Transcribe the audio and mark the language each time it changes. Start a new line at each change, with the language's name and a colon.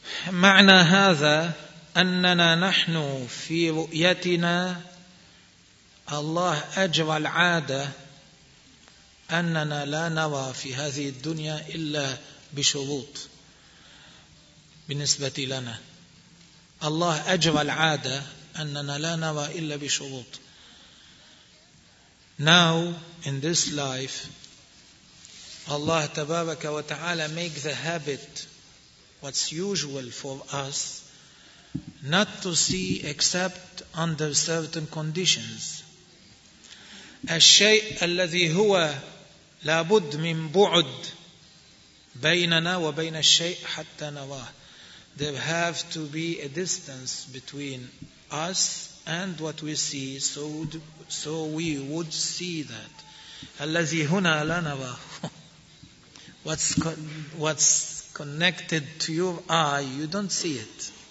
Arabic: معنى هذا أننا نحن في رؤيتنا الله أجرى العادة أننا لا نرى في هذه الدنيا إلا بشروط بالنسبة لنا. الله أجرى العادة أننا لا نرى إلا بشروط.
English: Now in this life Allah
Arabic: تبارك وتعالى
English: make the habit, what's usual for us, not to see except under certain conditions.
Arabic: الشيء الذي هو لابد من بعد بيننا وبين الشيء حتى نراه.
English: There have to be a distance between us and what we see, so we would see that.
Arabic: الذي هنا لا نراه.
English: What's connected to your eye, you don't see it.